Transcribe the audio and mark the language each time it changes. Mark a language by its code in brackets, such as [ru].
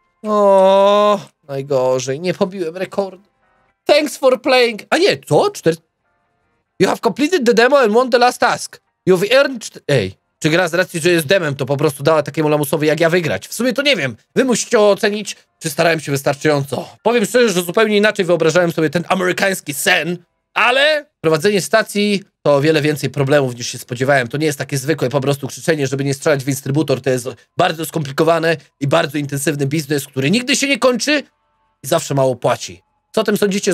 [pl] O, najgorzej, nie pobiłem rekordu. [en] Thanks for playing! [pl] A nie, co? [en] You have completed the demo and won the last task. You've earned... [pl] Ej, czy gra z racji, że jest demem, to po prostu dała takiemu lamusowi jak ja wygrać? W sumie to nie wiem. Wy musicie ocenić, czy starałem się wystarczająco. Powiem szczerze, że zupełnie inaczej wyobrażałem sobie ten amerykański sen, ale prowadzenie stacji to o wiele więcej problemów niż się spodziewałem. To nie jest takie zwykłe po prostu krzyczenie, żeby nie strzelać w instrybutor. To jest bardzo skomplikowane i bardzo intensywny biznes, który nigdy się nie kończy i zawsze mało płaci. Co o tym sądzicie?